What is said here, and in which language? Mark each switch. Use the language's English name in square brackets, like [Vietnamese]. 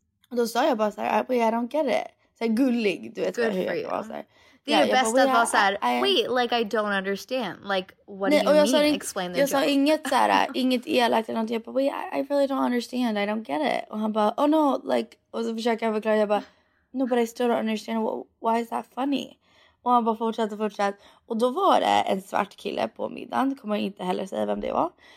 [Swedish] Och då sa jag bara så här, [English] I don't get it. [Swedish] Så här, gullig, du vet vad jag var så här. Det är ju bäst att vara så här, [English] I don't understand. Like, what do you mean? Explain the joke. [Swedish] Jag sa inget så här, inget elakt eller någonting. Jag bara, [English] I really don't understand. I don't get it. [Swedish] Och han bara, [English] oh no, like, [Swedish] och så försöker jag förklara. Jag bara, [English] no, but I still don't understand. Why is that funny? [Swedish] Och han bara fortsatte. Och då var det en svart kille på middagen. Kommer jag inte heller säga vem det var.